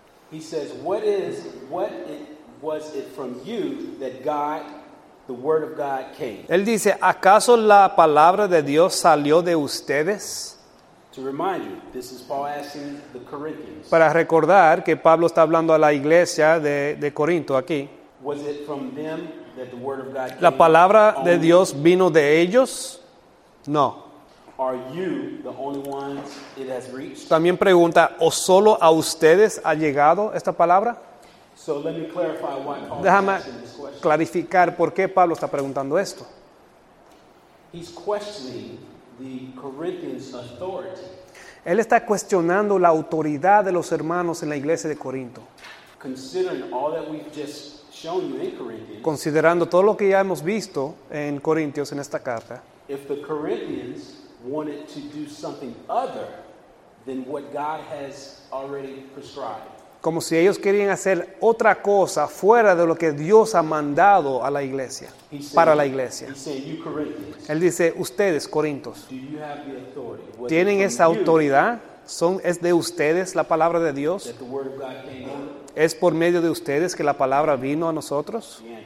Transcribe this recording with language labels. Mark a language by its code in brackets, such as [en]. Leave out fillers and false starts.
[en] He says, was it from you that God, the word of God came? [es] Él dice, ¿acaso la palabra de Dios salió de ustedes? [en] To remind you, this is Paul asking the Corinthians. [es] Para recordar que Pablo está hablando a la iglesia de Corinto aquí. [en] Was it from them that the word of God came? [es] ¿La palabra de Dios vino de ellos? No. [en] Are you the only ones it has reached? [es] También pregunta, ¿o solo a ustedes ha llegado esta palabra? [en] So let me clarify why Paul [es] Déjame [en] is asking this question. [es] Clarificar por qué Pablo está preguntando esto. [en] He's questioning the Corinthians' authority. [es] Él está cuestionando la autoridad de los hermanos en la iglesia de Corinto. [en] Considering all that we've just shown you in Corinthians, [es] considerando todo lo que ya hemos visto en Corintios en esta carta, [en] if the Corinthians wanted to do something other than what God has already prescribed, [es] como si ellos querían hacer otra cosa fuera de lo que Dios ha mandado a la iglesia, para la iglesia. Él dice, ustedes, Corintios, ¿tienen esa autoridad? ¿Es de ustedes la palabra de Dios? ¿Es por medio de ustedes que la palabra vino a nosotros?